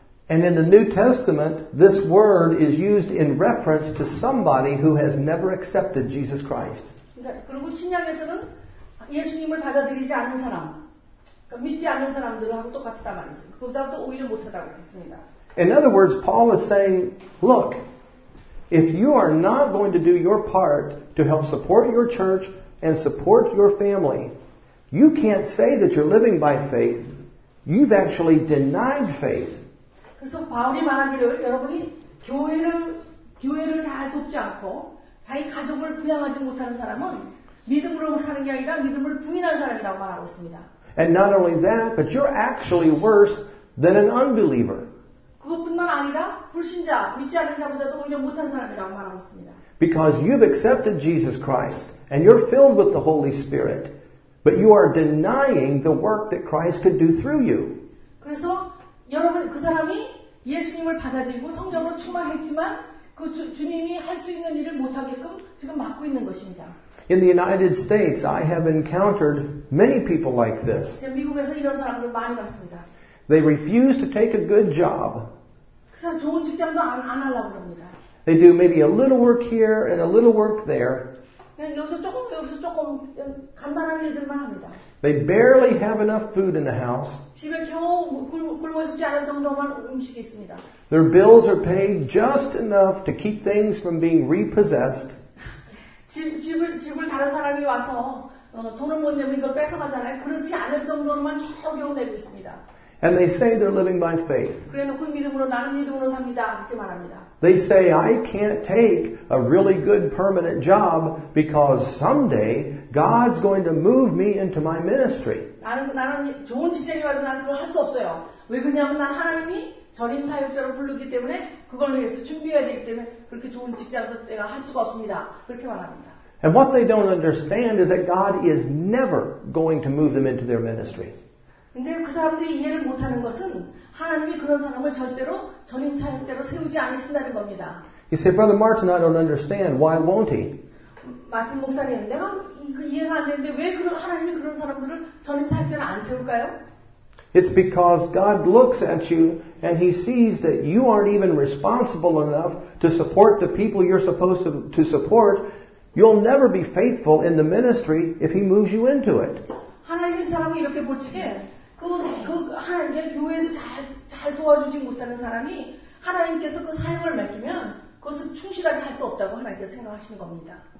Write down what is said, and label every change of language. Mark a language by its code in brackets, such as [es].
[en] And in the New Testament, this word is used in reference to somebody who has never accepted Jesus Christ. [ko] 그리고 신약에서는 예수님을 받아들이지 않는 사람, 그러니까 믿지 않는 사람들하고 똑같다 말이죠. 그보다도 오히려 못하다고 했습니다. [en] In other words, Paul is saying, look, if you are not going to do your part to help support your church and support your family, you can't say that you're living by faith. You've actually denied faith. [ko] 그래서 바울이 말하기를 여러분이 교회를 잘 돕지 않고 자기 가족을 부양하지 못하는 사람은 믿음으로 사는 게 아니라 믿음을 부인한 사람이라고 말하고 있습니다. [en] And not only that, but you're actually worse than an unbeliever. [ko] 그것뿐만 아니라 불신자, 믿지 않는 자보다도 오히려 못한 사람이라고 말하고 있습니다. [en] Because you've accepted Jesus Christ and you're filled with the Holy Spirit, but you are denying the work that Christ could do through you. [ko] 그래서 여러분 그 사람이 예수님을 받아들이고 성령으로 충만했지만 그 주님이 할 수 있는 일을 못하게끔 지금 막고 있는 것입니다. [en] In the United States, I have encountered many people like this. [ko] 제가 미국에서 이런 사람들 많이 봤습니다. [en] They refuse to take a good job. [ko] 그래서 좋은 직장도 안 하려고 합니다. [en] They do maybe a little work here and a little work there. [ko] 여기서 조금 간단한 일들만 합니다. [en] They barely have enough food in the house. [ko] 집에 겨우 굶어 죽지 않을 정도만 음식이 있습니다. [en] Their bills are paid just enough to keep things from being repossessed. [ko] 집을 다른 사람이 와서 돈을 못 내면 이걸 뺏어가잖아요. 그렇지 않을 정도로만 겨우 내고 있습니다. [en] And they say they're living by faith. [ko] 그래 놓고 믿음으로 나는 믿음으로 삽니다. 그렇게 말합니다. [en] They say, I can't take a really good permanent job because someday God's going to move me into my ministry. [ko] 나는 좋은 직장이 와서 난 그걸 할 수 없어요. 왜 그러냐면 난 하나님이 전임 사역자로 부르기 때문에 그걸 위해서 준비해야 되기 때문에 그렇게 좋은 직장도 내가 할 수가 없습니다. 그렇게 말합니다. [en] And what they don't understand is that God is never going to move them into their ministry. [ko] 근데 그 사람들이 이해를 못하는 것은 하나님이 그런 사람을 절대로 전임 사역자로 세우지 않으신다는 겁니다. [en] You say, Brother Martin, I don't understand. Why won't he? [ko] 마틴 목사님, 내가 그 이해가 안 되는데 왜 하나님이 그런 사람들을 전임 사역자로 안 세울까요? [en] It's because God looks at you and he sees that you aren't even responsible enough to support the people you're supposed to support. You'll never be faithful in the ministry if he moves you into it. [ko] 하나님이 사람을 이렇게 보지 해. 그 하나님의 교회도 잘 도와주지 못하는 사람이 하나님께서 그 사역을 맡기면 그것을 충실하게 할 수 없다고 하나님께서 생각하시는 겁니다.